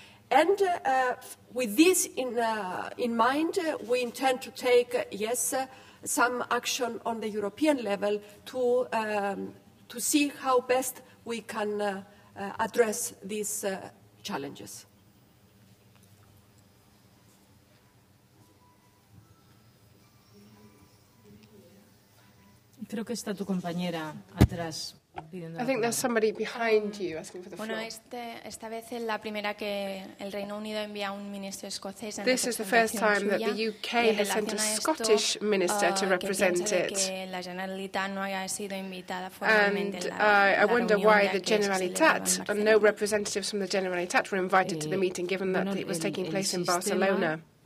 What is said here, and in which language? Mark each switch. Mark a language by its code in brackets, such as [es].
[en] And with this in mind, we intend to take, some action on the European level to see how best we can address these challenges. [es] Creo que está tu compañera atrás. [en] I think there's somebody behind you asking for the floor. [es] Bueno, esta vez es la primera que el Reino Unido envía un ministro escocés. [en] This is the first time that the UK has sent a Scottish minister to represent it. [es] La Generalitat no haya sido invitada formalmente. [en] And I wonder why the Generalitat and no representatives from the Generalitat were invited to the meeting, given that it was taking place in Barcelona.